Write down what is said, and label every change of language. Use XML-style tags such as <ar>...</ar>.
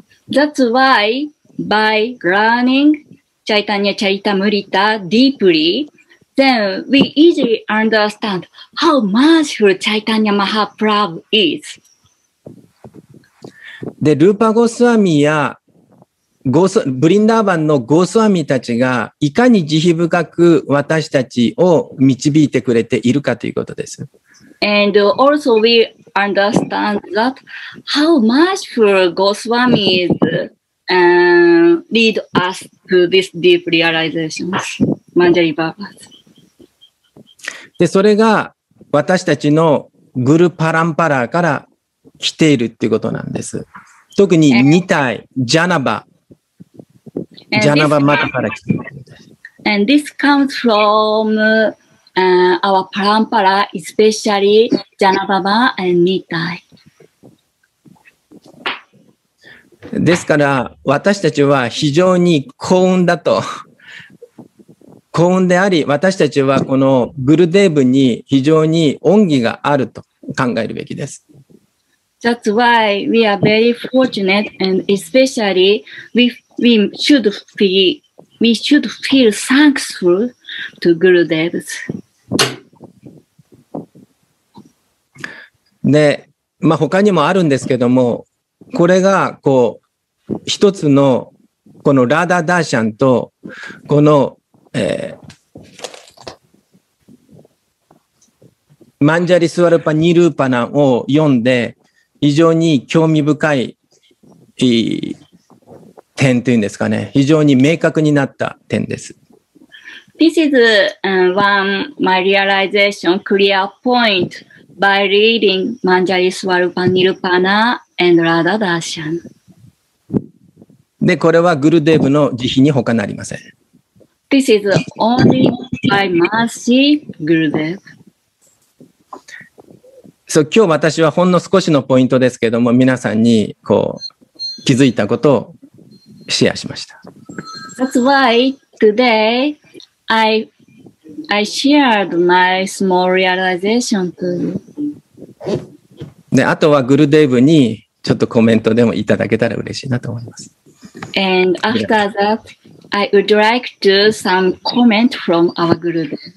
<en>That's why by learning チャイタニア・チャリタムリタ deeply, then we easily understandHow merciful Chaitanya Mahaprabhu is.</en> <ja>で、ルーパゴスワミやブリンダーバンのゴスワミたちがいかに慈悲深く私たちを導いてくれているかということです。</ja> <en>And also we understand that how merciful Goswami is, lead us to this deep realization, Manjari Baba.</en> <ja>で、それが私たちのグルパランパラから来ているっていうことなんです。特に2体ジャナバマタから来ているんです。</ja> <en>And this comes from our パランパラ, especially ジャナババ and 2体。</en> <ja>ですから私たちは非常に幸運だと、幸運であり、私たちはこのグルデーブに非常に恩義があると考えるべきです。</ja> <en>That's why we are very fortunate and especially we should feel thankful to グルデーブ。</en> <ja>で、まあ他にもあるんですけども、これがこう一つのこのラダダーシャンとこのマンジャリスワルパニルーパナを読んで非常に興味深い点というんですかね、非常に明確になった点です。</ja> <en>This is one my realization clear point by reading マンジャリスワルパニルーパナ and ラダダーシャン。</en> <ja>で、これはグルデーブの慈悲に他なりません。</ja> <en>This is only by mercy, Gurudev.</en> <ja>So, 今日私はほんの少しのポイントですけども、皆さんにこう気づいたことをシェアしました。</ja> <en>That's why today I shared my small realization to you.</en> <ja>で、あとはグルデーブにちょっとコメントでもいただけたら嬉しいなと思います。</ja> <en>And after that,I would like to some comment from our Gurudev.</en>